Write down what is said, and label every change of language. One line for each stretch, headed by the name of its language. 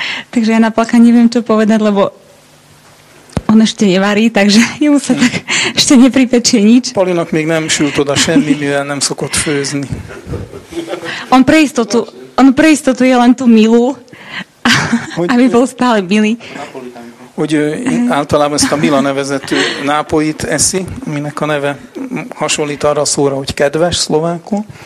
Slovak: Takže ja na Plaka neviem, čo povedať, lebo on ešte nevarí, takže jemu sa tak ešte nepripečie nič.
Hungarian: Palinak még nem sült oda semmi, mivel nem szokott főzni.
Slovak: On pre istotu je len tú milú, aby bol stále milý.
Hungarian: Hogy általában ezt a Mila nevezetű nápojit eszi, aminek a neve hasonlít arra a szóra, hogy kedves szlovákul.